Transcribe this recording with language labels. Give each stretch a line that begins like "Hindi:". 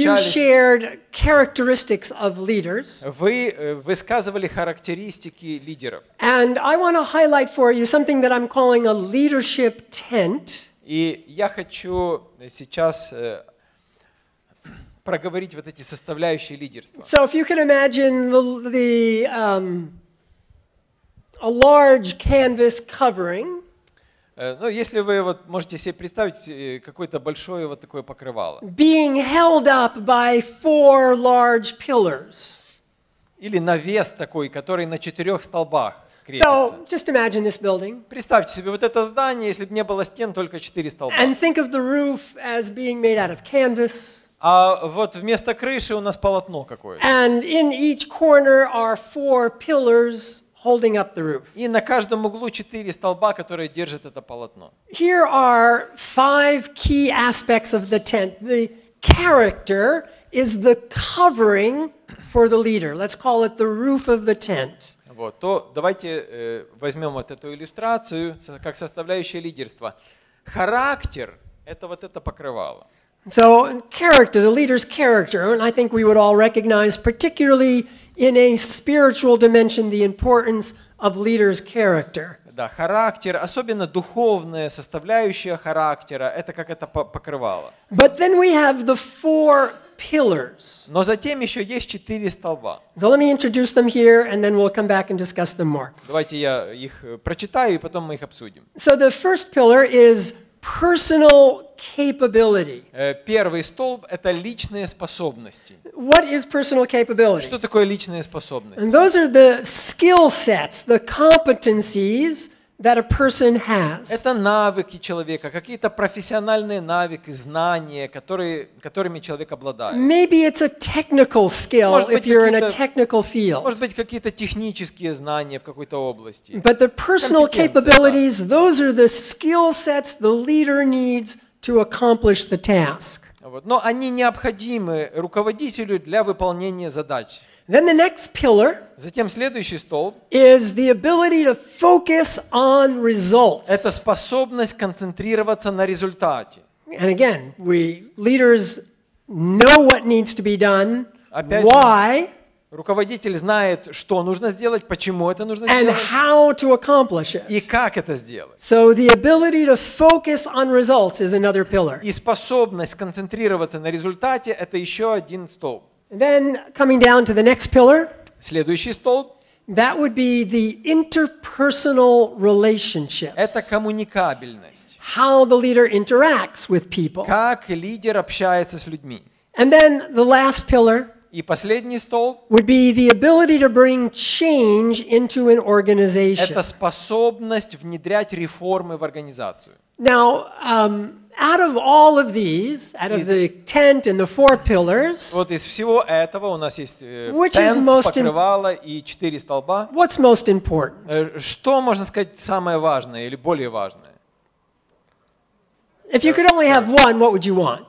English: you shared characteristics of leaders.
Russian: Вы высказывали характеристики лидеров.
English: And I want to highlight for you something that I'm calling a leadership tent.
Russian: И я хочу сейчас проговорить вот эти составляющие лидерства.
English: So if you can imagine the a large canvas covering.
Russian: Ну, если вы вот можете себе представить какое-то большое вот такое покрывало.
English: Being held up by four large pillars.
Russian: Или навес такой, который на четырех столбах.
English: So, just imagine this building.
Russian: Представьте себе вот это здание, если бы не было стен, только четыре столба.
English: And think of the roof as being made out of canvas.
Russian: А вот вместо крыши у нас полотно какое-то.
English: And in each corner are four pillars holding up the roof.
Russian: И на каждом углу четыре столба, которые держат это полотно.
English: Here are five key aspects of the tent. The character is the covering for the leader. Let's call it the roof of the tent.
Russian: Вот, то давайте возьмем вот эту иллюстрацию как составляющее лидерства. Характер — это вот это покрывало.
English: So, character, the leader's character, and I think we would all recognize, particularly in a spiritual dimension, the importance of leader's character.
Russian: Да, характер, особенно духовная составляющая характера, это как это покрывало.
English: But then we have the four pillars.
Russian: Но затем еще есть четыре столба.
English: So let me introduce them here, and then we'll come back and discuss them more.
Russian: Давайте я их прочитаю, и потом мы их обсудим.
English: So the first pillar is personal capability.
Russian: Первый столб — это личные способности.
English: What is personal capability?
Russian: Что такое личные способности?
English: And those are the skill sets, the competencies that a person has.
Russian: Это навыки человека, какие-то профессиональные навыки, знания, которыми человек обладает.
English: Maybe it's a technical skill if you're in a technical field.
Russian: Может быть, какие-то технические знания в какой-то области.
English: But the personal capabilities, those are the skill sets the leader needs to accomplish the task.
Russian: Вот. Но они необходимы руководителю для выполнения задач.
English: Then the next pillar,
Russian: затем следующий столб,
English: is the ability to focus on results.
Russian: Это способность концентрироваться на результате.
English: And again, we leaders know what needs to be done.
Russian: Опять
English: why?
Russian: Руководитель знает, что нужно сделать, почему это нужно
English: and
Russian: сделать,
English: how to accomplish it.
Russian: И как это сделать.
English: So the ability to focus on results is another pillar.
Russian: И способность концентрироваться на результате – это еще один столб.
English: Then coming down to the next pillar.
Russian: Следующий столб.
English: That would be the interpersonal relationships.
Russian: Это коммуникабельность.
English: How the leader interacts with people.
Russian: Как лидер общается с людьми.
English: And then the last pillar.
Russian: И последний столб.
English: Would be the ability to bring change into an organization.
Russian: Это способность внедрять реформы в организацию.
English: Now, out of all of these, out of the tent and the four pillars.
Russian: Вот из всего этого у нас есть tent, покрывало и четыре столба.
English: What's most important?
Russian: Что можно сказать самое важное или более важное?
English: If you could only have one, what would you want?